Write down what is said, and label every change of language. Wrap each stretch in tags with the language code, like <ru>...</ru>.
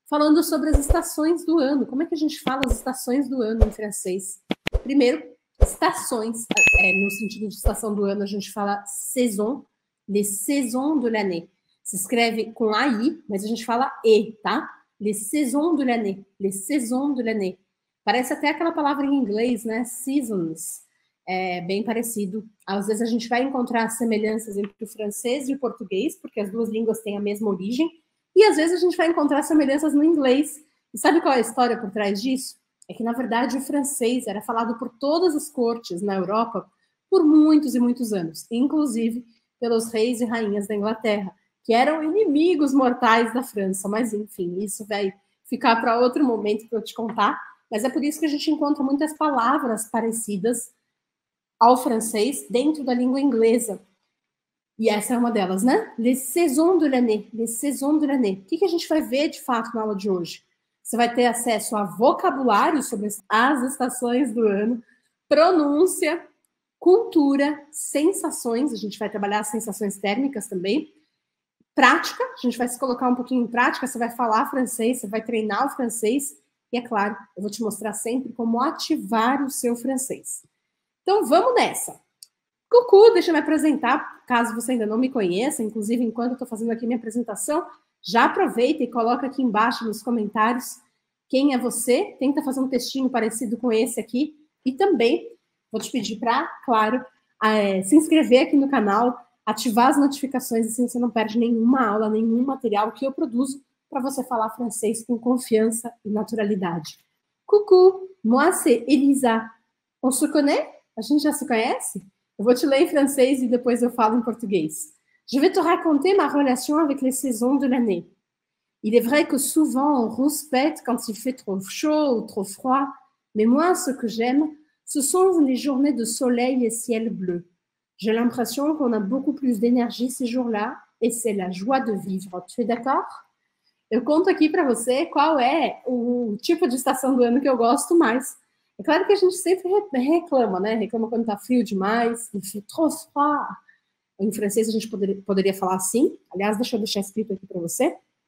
<pt>Falando sobre as estações do ano, como é que a gente fala as estações do ano em francês? Primeiro, estações, no sentido de estação do ano, a gente fala saison,</pt> <fr>les saisons de l'année.</fr> <pt>Se escreve com AI, mas a gente fala E, tá?</pt> <fr>Les saisons de l'année, les saisons de l'année.</fr> <pt>Parece até aquela palavra em inglês, né? Seasons. É bem parecido. Às vezes a gente vai encontrar semelhanças entre o francês e o português, porque as duas línguas têm a mesma origem. E às vezes a gente vai encontrar semelhanças no inglês. E sabe qual é a história por trás disso? É que, na verdade, o francês era falado por todas as cortes na Europa por muitos e muitos anos, inclusive pelos reis e rainhas da Inglaterra, que eram inimigos mortais da França. Mas, enfim, isso vai ficar para outro momento para eu te contar. Mas é por isso que a gente encontra muitas palavras parecidas ao francês dentro da língua inglesa. E essa é uma delas, né?</pt> <fr>Les saisons de l'année, les saisons de l'année.</fr> <pt>O que a gente vai ver de fato na aula de hoje? Você vai ter acesso a vocabulário sobre as estações do ano, pronúncia, cultura, sensações, a gente vai trabalhar as sensações térmicas também, prática, a gente vai se colocar um pouquinho em prática, você vai falar francês, você vai treinar o francês, e é claro, eu vou te mostrar sempre como ativar o seu francês. Então vamos nessa! Cucu, deixa eu me apresentar, caso você ainda não me conheça. Inclusive, enquanto eu estou fazendo aqui minha apresentação, já aproveita e coloca aqui embaixo nos comentários quem é você. Tenta fazer um textinho parecido com esse aqui. E também vou te pedir para, claro, se inscrever aqui no canal, ativar as notificações, assim você não perde nenhuma aula, nenhum material que eu produzo para você falar francês com confiança e naturalidade.</pt> <fr>Cucu, moi c'est Elisa. On se connaît?</fr> <pt>A gente já se conhece? Eu vou te ler em francês e depois eu falo em português.</pt> <fr>Je vais te raconter ma relation avec les saisons de l'année. Il est vrai que souvent on rouspète quand il fait trop chaud ou trop froid, mais moi ce que j'aime, ce sont les journées de soleil et ciel bleu. J'ai l'impression qu'on a beaucoup plus d'énergie ces jours-là et c'est la joie de vivre. Tu es d'accord?</fr> <pt>Eu conto aqui para você qual é o tipo de estação do ano que eu gosto mais. É claro que a gente sempre reclama, né? Reclama quando tá frio demais,</pt> <fr>il fait trop froid.</fr> <pt>Em francês a gente poderia falar assim. Aliás, deixa eu deixar escrito aqui para você.</pt>